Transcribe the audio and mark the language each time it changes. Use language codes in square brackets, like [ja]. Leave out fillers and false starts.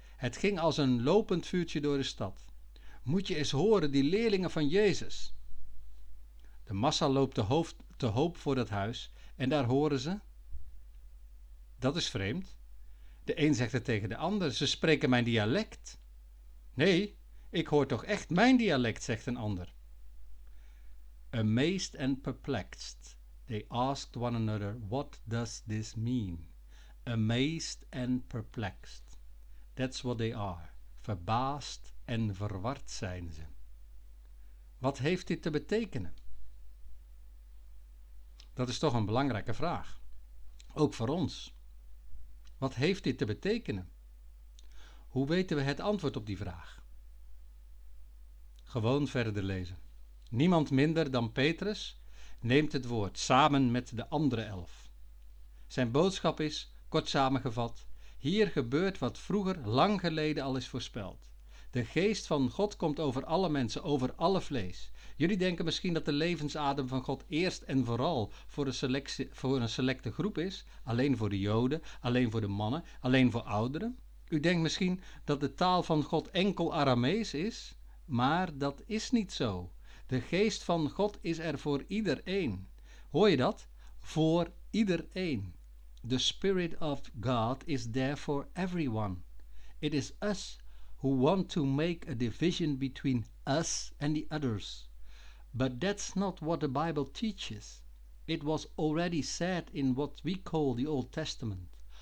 [nl] Het ging als een lopend vuurtje door de stad. Moet je eens horen, die leerlingen van Jezus. De massa loopt te hoop voor dat huis en daar horen ze. Dat is vreemd. De een zegt het tegen de ander, ze spreken mijn dialect. Nee, ik hoor toch echt mijn dialect, zegt een ander. [en] Amazed and perplexed, they asked one another, what does this mean? Amazed and perplexed, that's what they are. [nl] Verbaasd en verward zijn ze. Wat heeft dit te betekenen? Dat is toch een belangrijke vraag. Ook voor ons. Wat heeft dit te betekenen? Hoe weten we het antwoord op die vraag? Gewoon verder lezen. Niemand minder dan Petrus neemt het woord samen met de andere 11. Zijn boodschap is, kort samengevat, hier gebeurt wat vroeger lang geleden al is voorspeld. De geest van God komt over alle mensen, over alle vlees. Jullie denken misschien dat de levensadem van God eerst en vooral voor een selecte groep is. Alleen voor de Joden, alleen voor de mannen, alleen voor ouderen. U denkt misschien dat de taal van God enkel Aramees is, maar dat is niet zo. De geest van God is er voor iedereen. Hoor je dat? Voor iedereen. [en] The Spirit of God is there for everyone. It is us who want to make a division between us and the others. But that's not what the Bible teaches. It was already said in what we call the Old Testament.